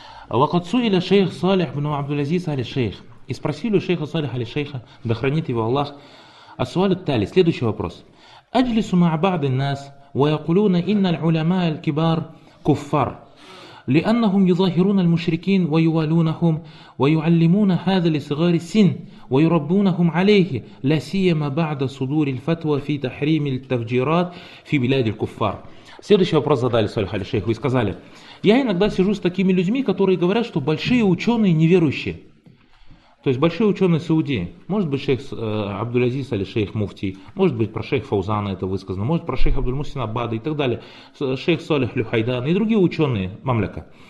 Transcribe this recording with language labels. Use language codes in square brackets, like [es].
[ar] وقد سئل شيخ صالح بن عبد العزيز علي الشيخ. [ru] И спросили у шейха Салиха علي шейха, да хранит его Аллах, [ar] السؤال التالي, [ru] следующий вопрос. [ar] أجلس مع بعض الناس ويقولون إن العلماء الكبار كفار لأنهم يظاهرون المشركين ويوالونهم ويعلمون هذا لصغار السن ويربونهم عليه لا سيما بعد صدور الفتوى في تحريم التفجيرات في بلاد الكفار. [ru] Следующий вопрос задали Салиха علي шейху и сказали: я иногда сижу с такими людьми, которые говорят, что большие ученые неверующие. То есть большие ученые Саудии, может быть шейх Абдул-Азиз или шейх Муфтий, может быть про шейх Фаузана это высказано, может про шейх Абдул-Мусин Аббада и так далее, шейх Салих Люхайдан и другие ученые мамляка.